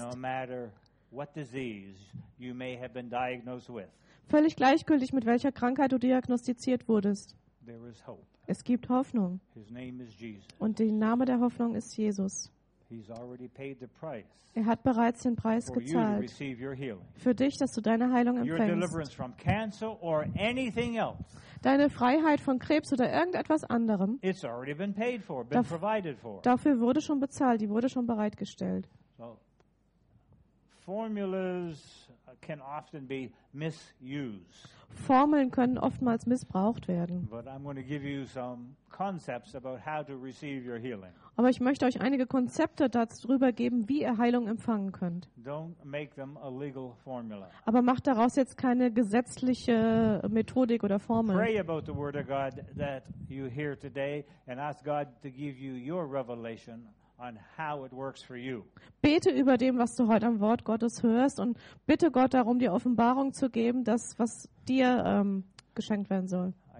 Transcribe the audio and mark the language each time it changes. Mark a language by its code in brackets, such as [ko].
[en] no matter what disease you may have been diagnosed with. [de] Völlig gleichgültig, mit welcher Krankheit du diagnostiziert wurdest. [en] there is hope. [de] Es gibt Hoffnung. [en] His name is Jesus. [de] Und der Name der Hoffnung ist Jesus. [en] He's already paid the price. [de] Er hat bereits den Preis gezahlt. Für dich, dass du deine Heilung empfängst. [en] Your deliverance from cancer or anything else. [de] Deine Freiheit von Krebs oder irgendetwas anderem. [en] It's already been paid for, been provided for. [de] Dafür wurde schon bezahlt, die wurde schon bereitgestellt. [en] So, formulas can often be misused. [de] Formeln können oftmals missbraucht werden. [en] But I'm going to give you some concepts about how to receive your healing. [de] Aber ich möchte euch einige Konzepte darüber geben, wie ihr Heilung empfangen könnt. [en] Don't make them a legal formula. [de] Aber macht daraus jetzt keine gesetzliche Methodik oder Formel. [en] Pray about the word of God that you hear today and ask God to give you your revelation on how it works for you. [de] Bete über dem, was du heute am Wort Gottes hörst und bitte Gott darum, dir Offenbarung zu geben, das, was dir geschenkt werden soll.